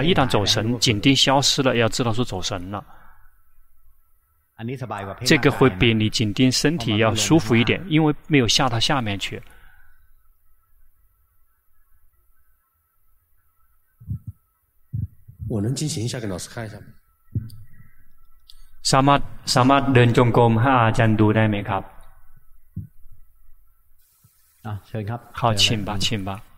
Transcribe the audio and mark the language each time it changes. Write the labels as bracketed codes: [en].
[zh] 一旦走神，紧盯消失了，要知道是走神了。这个会比你紧盯身体要舒服一点，因为没有下到下面去。我能进行一下给老师看一下吗？ [th] สามารถ เดินจงกรมให้อาจารย์ดูได้ไหมครับ 啊เชิญครับ [zh] 好请吧请吧